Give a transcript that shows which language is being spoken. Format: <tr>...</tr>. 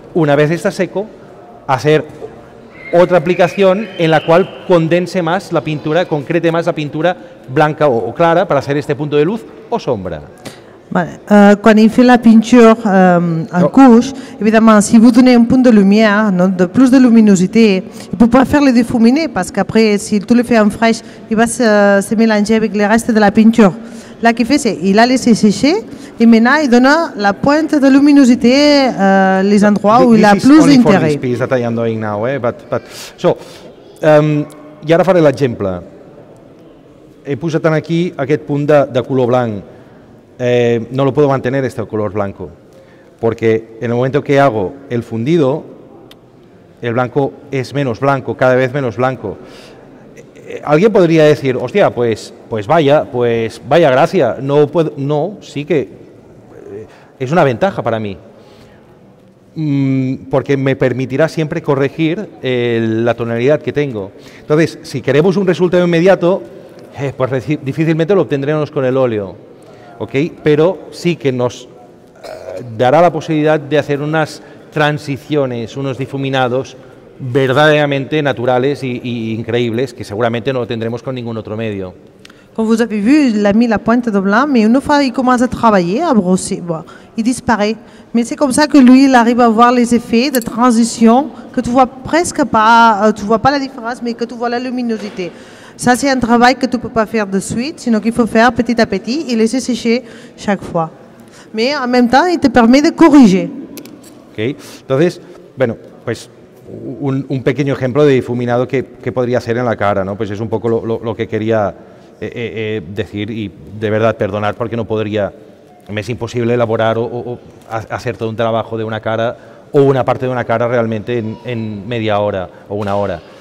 <es>Una vez está seco, hacer otra aplicación en la cual condense más la pintura, concrete más la pintura blanca o clara para hacer este punto de luz o sombra. Vale. Cuando hice la pintura en couche, evidentemente,</es> <fr>si vous donnez</fr> <es>un punto de lumière, ¿no?</es> <fr>De plus de luminosité, il peut pas faire le difuminer, parce qu'après, si tu le fais en fraîche, il va se mélanger avec le reste de la pintura. Là, qu'il fait, c'est qu'il a laissé sécher et maintenant il donne la pointe de luminosité les endroits où il a plus d'intérêt.</fr> <en>This is only for this piece that I am doing now, but so,</en> <ca>i ara faré l'exemple. He posat aquí aquest punt de color blanc.</ca> <es>No lo puedo mantener este color blanco, porque en el momento que hago el fundido, el blanco es menos blanco, cada vez menos blanco. Alguien podría decir, hostia, pues vaya gracia, no puedo, no, sí que es una ventaja para mí, porque me permitirá siempre corregir la tonalidad que tengo. Entonces, si queremos un resultado inmediato, pues difícilmente lo obtendremos con el óleo, ¿ok? Pero sí que nos dará la posibilidad de hacer unas transiciones, unos difuminados verdaderamente naturales y increíbles, que seguramente no lo tendremos con ningún otro medio.</es> <fr>Como vous avez vu, il a mis la pointe de blanc, mais une fois il commence à travailler, à brosser, bon, il disparaît. Mais c'est comme ça que lui, il arrive à voir les effets de transition, que tu vois presque pas, tu vois pas la différence, mais que tu vois la luminosité. Ça, c'est un travail que tu peux pas faire de suite, sinon qu'il faut faire petit à petit et laisser sécher chaque fois. Mais en même temps, il te permet de corriger.</fr> <es>Ok, entonces, bueno, pues un pequeño ejemplo de difuminado que podría hacer en la cara, ¿no? Pues es un poco lo que quería decir y de verdad perdonar porque no podría, me es imposible elaborar o hacer todo un trabajo de una cara o una parte de una cara realmente en media hora o una hora.</es>